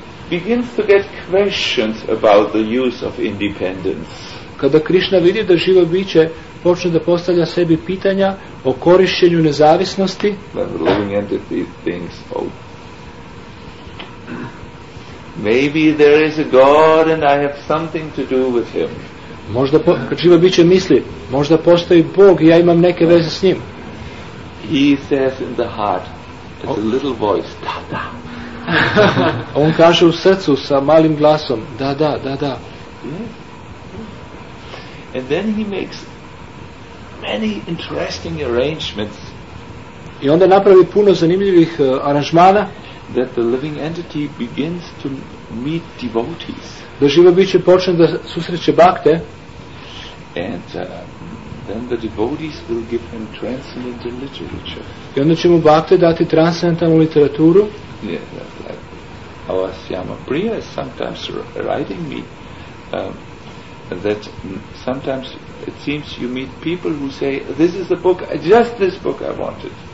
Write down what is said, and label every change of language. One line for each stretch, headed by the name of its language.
English: begins to get questions about the use of independence.
Serbian: Kada Krishna vidi da živo biće počne da postavlja sebi pitanja o korišćenju nezavisnosti,
English: then the living entity thinks, oh, maybe there is a God and I have something to do with him.
Serbian: Možda kad živo biće misli, možda postoji Bog i ja imam neke veze s njim.
English: He says in the heart, there's a little voice,
Serbian: da, da. On kaže u srcu sa malim glasom, da, da, da, da.
English: And then he makes many interesting arrangements.
Serbian: I onda napravi puno zanimljivih aranžmana.
English: That the living entity begins to meet devotees.
Serbian: Da živo biće počne da susreće bhakte.
English: And then the devotees will give him transcendental literature.
Serbian: I onda će mu bhakte dati transcendentalnu literaturu.
English: Yeah, like our Syama Priya is sometimes writing me that sometimes it seems you meet people who say, this is the book, just this book I wanted.